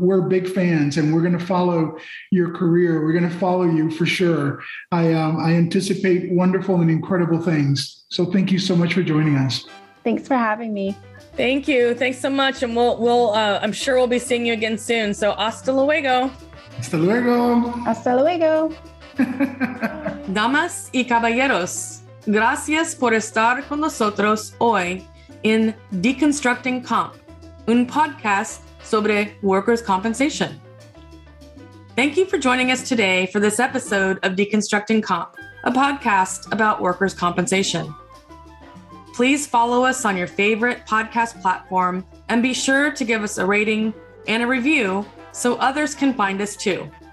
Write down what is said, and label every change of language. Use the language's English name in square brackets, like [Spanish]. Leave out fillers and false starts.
[English] We're big fans, and we're going to follow your career. We're going to follow you for sure. I anticipate wonderful and incredible things. So thank you so much for joining us. Thanks for having me. Thank you. Thanks so much. And I'm sure we'll be seeing you again soon. [Spanish] So hasta luego. Hasta luego. Hasta luego. Damas y caballeros, gracias por estar con nosotros hoy en Deconstructing Comp, un podcast sobre workers' compensation. [English] Thank you for joining us today for this episode of Deconstructing Comp, a podcast about workers' compensation. Please follow us on your favorite podcast platform and be sure to give us a rating and a review so others can find us too.